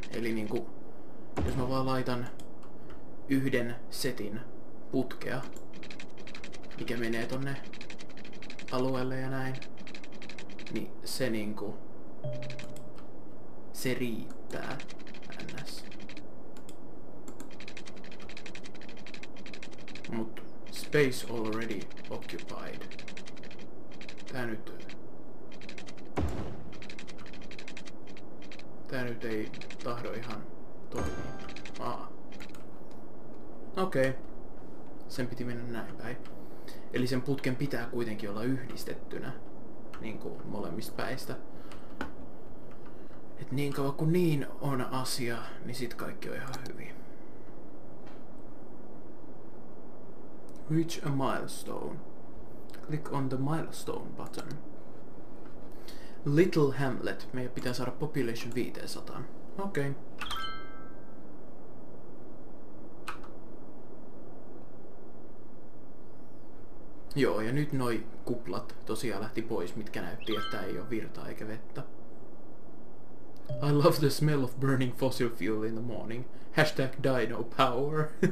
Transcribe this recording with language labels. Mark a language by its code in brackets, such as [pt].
[fi] Eli niin kuin, jos mä vaan laitan yhden setin putkea, mikä menee tonne alueelle ja näin, niin se niinku se riittää ns. Mut [en] space already occupied. [fi] Tää nyt ei tahdo ihan toimia. Okei. Sen piti mennä näin päin. Eli sen putken pitää kuitenkin olla yhdistettynä niinku molemmista päistä. Et niin kauan kuin niin on asia, niin sit kaikki on ihan hyvin. [en] Reach a milestone. Click on the milestone button. [fi] Little Hamlet. Meidän pitää saada population 500. Okei. Joo, ja nyt noi kuplat tosiaan lähti pois, mitkä näytti, että ei ole virtaa eikä vettä. [en] I love the smell of burning fossil fuel in the morning. Hashtag dino power.